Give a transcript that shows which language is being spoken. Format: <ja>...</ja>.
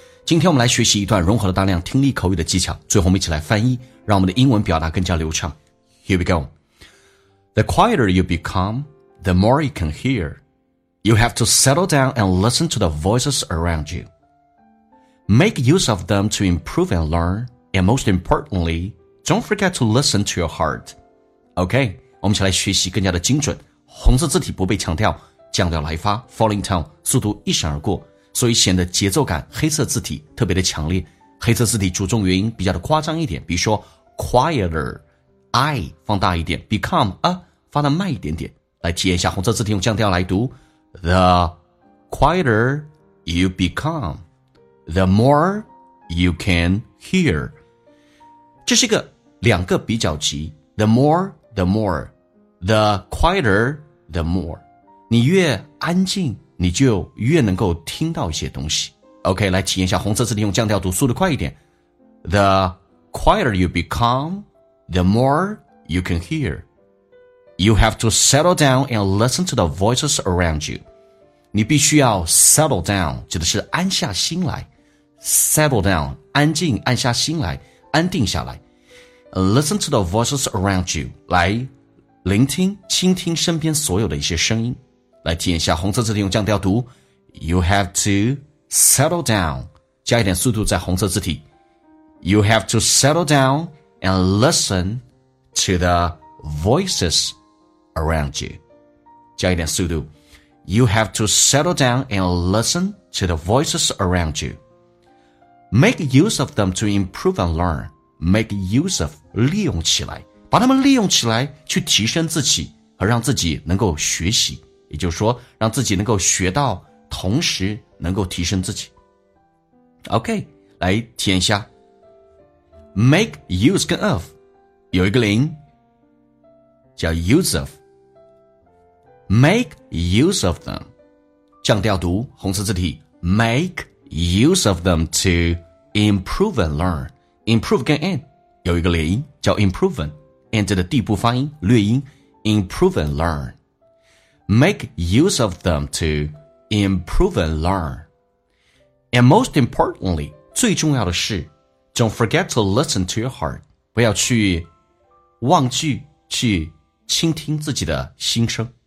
<zh>今天我们来学习一段融合了大量听力口语的技巧，最后我们一起来翻译，让我们的英文表达更加流畅。</zh> <en>Here we go. The quieter you become, the more you can hear. You have to settle down and listen to the voices around you. Make use of them to improve and learn. And most importantly, don't forget to listen to your heart. Okay.</en> <zh>我们一起来学习更加的精准，红色字体不被强调，降调来发</zh> <en>falling tone，</en> <zh>速度一闪而过，所以显得节奏感黑色字体特别的强烈。黑色字体着重元音比较的夸张一点，比如说 quieter， I 放大一点， become a 发的慢一点点。来体验一下红色字体用降调来读，</zh> <en>The quieter you become, the more you can hear。</en> <zh>这是一个两个比较级，</zh> <en>The more, the quieter, the more.</en> <zh>你越安静，你就越能够听到一些东西。 OK, 来体验一下红色字体用降调读速度快一点。</zh> <en>The quieter you become, the more you can hear. You have to settle down and listen to the voices around you.</en> <zh>你必须要</zh> <en>settle down,</en> <zh>指的是安下心来。</zh> <en>Settle down,</en> <zh>安静，按下心来，安定下来。</zh> <en>Listen to the voices around you.</en> <zh>来聆听，倾听身边所有的一些声音。来体验一下红色字体用降调读。</zh> <en>You have to settle down.</en> <zh>加一点速度在红色字体。</zh> <en>You have to settle down and listen to the voices around you.</en> <zh>加一点速度。</zh> <en>You have to settle down and listen to the voices around you. Make use of them to improve and learn. Make use of,</en> <zh>利用起来，把它们利用起来去提升自己和让自己能够学习，也就是说让自己能够学到，同时能够提升自己。</zh> <en>OK,</en> <zh>来体验一下</zh> <en>Make use 跟 of</en> <zh>有一个零叫</zh> <en>use of, Make use of them,</en> <zh>降调读红色字体</zh> <en>Make use of them to improve and learnImprove 跟 and</en> <zh>有一个连音叫</zh> <en>improven, and</en> <zh>的地步发音略音</zh> <en>improve and learn. Make use of them to improve and learn. And most importantly,</en> <zh>最重要的是</zh> <en>don't forget to listen to your heart.</en> <zh>不要去忘记去倾听自己的心声。</zh>